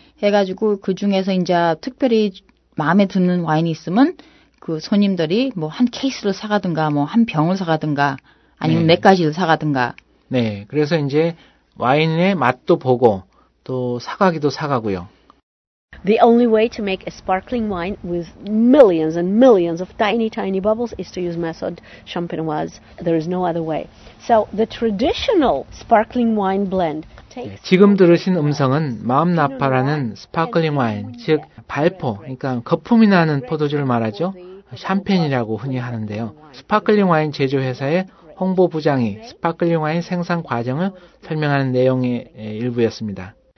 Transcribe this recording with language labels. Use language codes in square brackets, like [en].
[ko] 해가지고 그 중에서 이제 특별히 마음에 드는 와인이 있으면 그 손님들이 뭐 한 케이스를 사가든가 뭐 한 병을 사가든가 아니면 네. 몇 가지를 사가든가. 네, 그래서 이제 와인의 맛도 보고 또 사가기도 사가고요. [en] The only way to make a sparkling wine with millions and millions of tiny, tiny bubbles is to use method Champenoise. There is no other way. So the traditional sparkling wine blend takes. [ko] 네, 지금 들으신 음성은 마음 나파라는 스파클링 와인, 즉 발포, 그러니까 거품이 나는 포도주를 말하죠. 샴페인이라고 흔히 하는데요. 스파클링 와인 제조 회사의 홍보 부장이 스파클링 와인 생산 과정을 설명하는 내용의 일부였습니다.